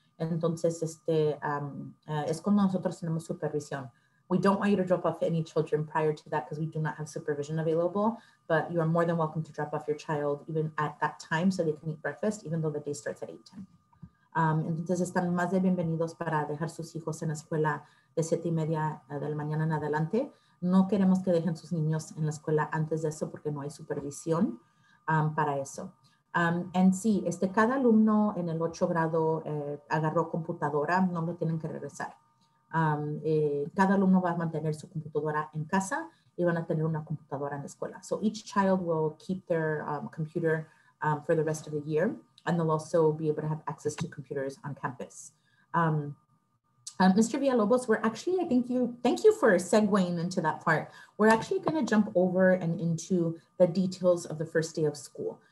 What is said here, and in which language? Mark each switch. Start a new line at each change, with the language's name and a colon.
Spanish: Entonces, es cuando nosotros tenemos supervisión.
English: We don't want you to drop off any children prior to that because we do not have supervision available, but you are more than welcome to drop off your child even at that time so they can eat breakfast, even though the day starts at 8:10.
Spanish: Entonces, están más de bienvenidos para dejar sus hijos en la escuela de 7:30 del mañana en adelante. No queremos que dejen sus niños en la escuela antes de eso porque no hay supervisión para eso. And sí, cada alumno en el 8 grado agarró computadora, no lo tienen que regresar. Cada alumno va a mantener su computadora en casa y van a tener una computadora en la escuela.
English: So each child will keep their computer for the rest of the year, and they'll also be able to have access to computers on campus. Mr. Villalobos, thank you for segueing into that part. We're actually going to jump over and into the details of the first day of school.